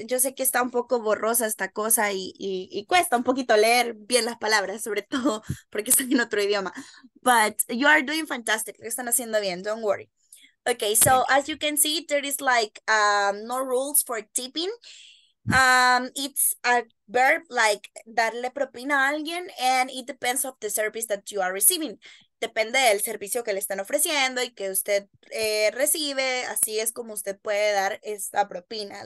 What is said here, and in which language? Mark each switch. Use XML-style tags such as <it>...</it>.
<es>Yo sé que está un poco borrosa esta cosa y cuesta un poquito leer bien las palabras, sobre todo porque están en otro idioma.</es> <en>But you are doing fantastic.</en> <es>Lo están haciendo bien.</es> <en>Don't worry. Okay, so as you can see, there is like no rules for tipping. It's a verb like</en> <es>darle propina a alguien,</es> <en>and it depends of the service that you are receiving.</en> <es>Depende del servicio que le están ofreciendo y que usted recibe. Así es como usted puede dar esta propina.</es>